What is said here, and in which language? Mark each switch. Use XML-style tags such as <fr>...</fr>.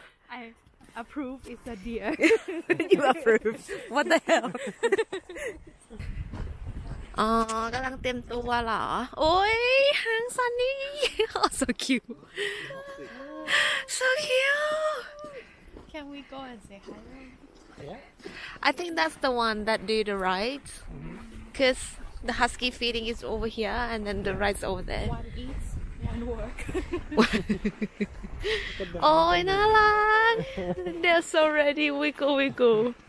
<en>I approve. It's a deer. You approve? What the hell?</en> <th>อ๋อกำลังเตรียมตัวเหรอโอ้ยฮังซันนี่</th> <en>oh, so cute so cute can we go and say hi yeah I think that's the one that do the rides cause the husky feeding is over here and then the rides over there one eats one work</en> <th>โอ้ยน่ารัก</th> <en>they're so ready wiggle</en>